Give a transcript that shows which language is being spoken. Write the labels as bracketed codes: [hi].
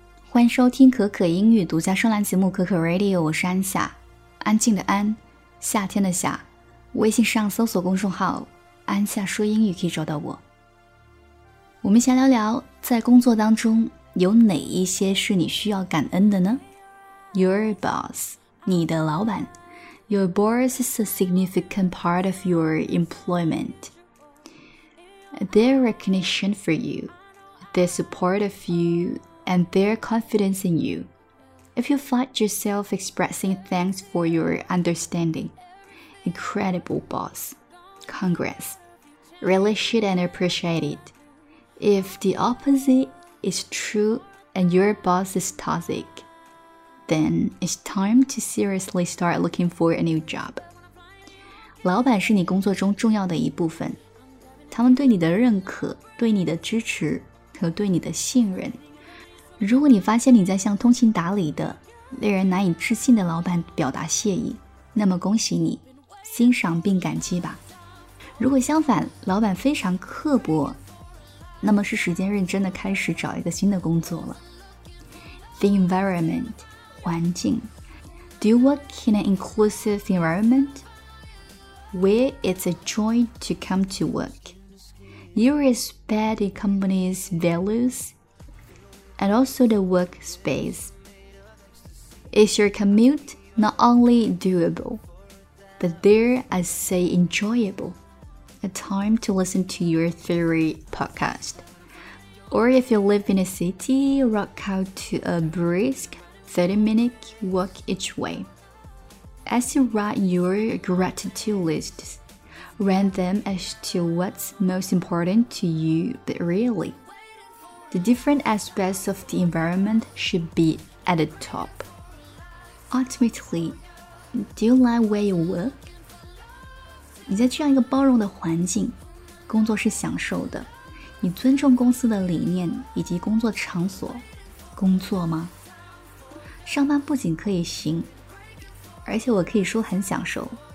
[zh] 欢迎收听可可英语独家专栏节目可可 Radio， 我是安夏，安静的安，夏天的夏。微信上搜索公众号安夏说英语可以找到我。我们先聊聊在工作当中有哪一些是你需要感恩的呢？ [en] Your boss， [zh] 你的老板。 [en] Your boss is a significant part of your employment. Their recognition for you, their support of youand their confidence in you. If you find yourself expressing thanks for your understanding, incredible boss, congrats, relish it and appreciate it. If the opposite is true and your boss is toxic, then it's time to seriously start looking for a new job. [zh] 老板是你工作中重要的一部分，他们对你的认可，对你的支持和对你的信任。如果你发现你在向通情达理的、令人难以置信的老板表达谢意，那么恭喜你，欣赏并感激吧。如果相反，老板非常刻薄，那么是时间认真的开始找一个新的工作了。 [en] The environment， [zh] 环境。 [en] Do you work in an inclusive environment where it's a joy to come to work? You respect the company's values? And also the workspace. Is your commute not only doable, but dare I say enjoyable? A time to listen to your favorite podcast. Or if you live in a city, rock out to a brisk 30-minute walk each way. As you write your gratitude lists, rank them as to what's most important to you, but really,The different aspects of the environment should be at the top. Ultimately, do you like where you work? [zh] 你在这样一个包容的环境，工作是享受的。你尊重公司的理念以及工作场所，工作吗？上班不仅可以行，而且我可以说很享受。